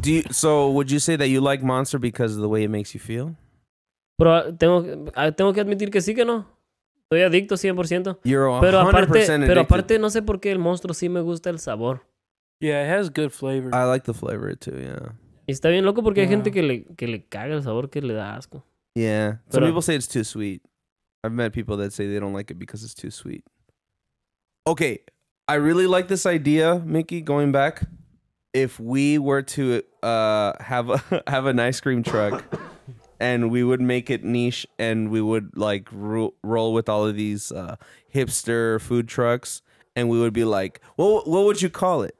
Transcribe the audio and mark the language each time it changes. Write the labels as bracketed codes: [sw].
[en] So would you say that you like Monster because of the way it makes you feel? [es] Pero tengo que admitir que sí que no. Soy adicto 100%. [en] You're 100% addicted. [es] Pero aparte no sé por qué el monstruo sí me gusta el sabor. [en] Yeah, it has good flavor. I like the flavor too, yeah. [es] Y está bien loco porque hay gente que le caga el sabor, que le da asco. [en] Yeah. Some people say it's too sweet. I've met people that say they don't like it because it's too sweet. Okay. I really like this idea, Mickey, going back. If we were to have an ice cream truck and we would make it niche and we would like roll with all of these hipster food trucks and we would be like, what would you call it?